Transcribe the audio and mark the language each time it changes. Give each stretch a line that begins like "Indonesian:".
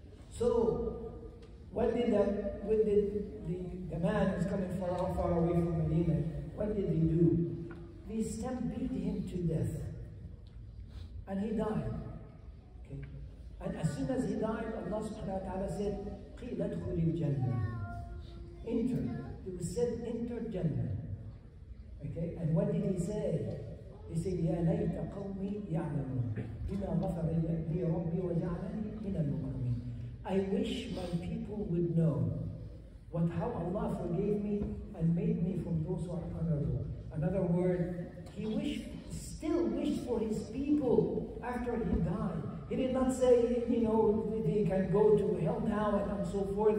English: So, what did the man who's coming far away from Medina, what did he do? They stampede him to death. And he died. Okay. And as soon as he died, Allah subhanahu wa ta'ala said,
Arabic: قِيلَ أَدْخُلِ الْجَنَّةِ.
English: Enter. He was said, enter Jannah. Okay? And what did he say? He said,
Arabic: يَا لَيْتَ قَوْمِي يَعْلَمُونَ بِمَا غَفَرَ لِي رَبِّي وَجَعْلَنِي مِنَ الْمُقْرَمِينَ.
English: I wish my people would know how Allah forgave me and made me from those who are honorable. Another word, he still wished for his people after he died. He did not say, you know, they can go to hell now and so forth.